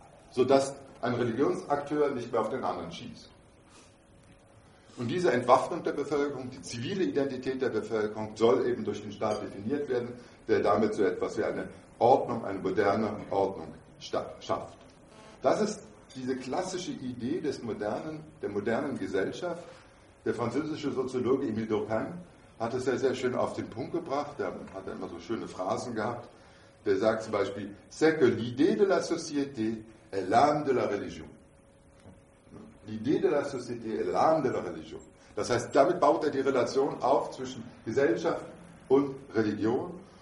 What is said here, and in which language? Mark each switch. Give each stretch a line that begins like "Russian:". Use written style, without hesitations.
German: Sodass ein Religionsakteur nicht mehr auf den anderen schießt. Und diese Entwaffnung der Bevölkerung, die zivile Identität der Bevölkerung, soll eben durch den Staat definiert werden, der damit so etwas wie eine Ordnung, eine moderne Ordnung schafft. Das ist diese klassische Idee der modernen Gesellschaft. Der französische Soziologe Émile Durkheim hat es sehr, sehr schön auf den Punkt gebracht, da hat er immer so schöne Phrasen gehabt. Der sagt zum Beispiel,
French: c'est que l'idée de la société est l'âme de la religion. L'idée de la société est l'âme de la religion.
German: Das heißt, damit baut er die Relation auf zwischen Gesellschaft und Religion.